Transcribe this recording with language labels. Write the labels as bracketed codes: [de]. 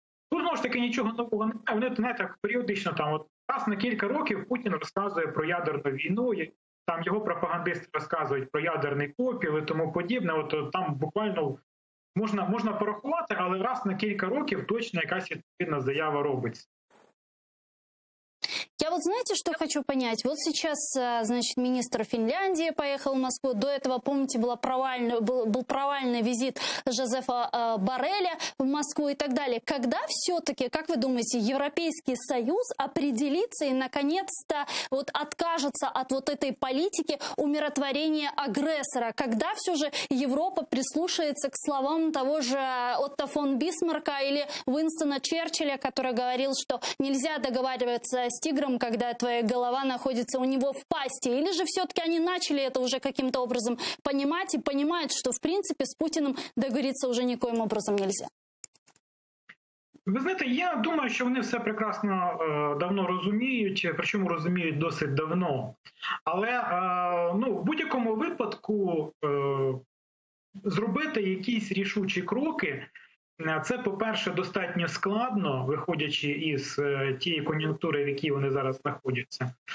[uk] Тут, знову ж таки, нічого нового немає. Вони не так періодично, там, от, раз на кілька років Путін розказує про ядерну війну, там його пропагандисти розказують про ядерний попіл і тому подібне. От там буквально можна порахувати, але раз на кілька років точно якась відповідна заява робиться. [ru] Я вот знаете, что хочу понять? Вот сейчас, значит, министр Финляндии поехал в Москву. До этого, помните, был провальный визит Жозефа Борреля в Москву и так далее. Когда все-таки, как вы думаете, Европейский Союз определится и, наконец-то, вот откажется от вот этой политики умиротворения агрессора? Когда все же Европа прислушается к словам того же Отто фон Бисмарка или Уинстона Черчилля, который говорил, что нельзя договариваться с тигром, когда твоя голова находится у него в пасти? Или же все-таки они начали это уже каким-то образом понимать и понимают, что, в принципе, с Путиным договориться уже никоим образом нельзя? [uk] Ви знаєте, я думаю, що вони все прекрасно давно розуміють, причому розуміють досить давно. Але ну, в будь-якому випадку зробити якісь рішучі кроки, це, по-перше, достатньо складно, виходячи із тієї кон'юнктури, в якій вони зараз знаходяться.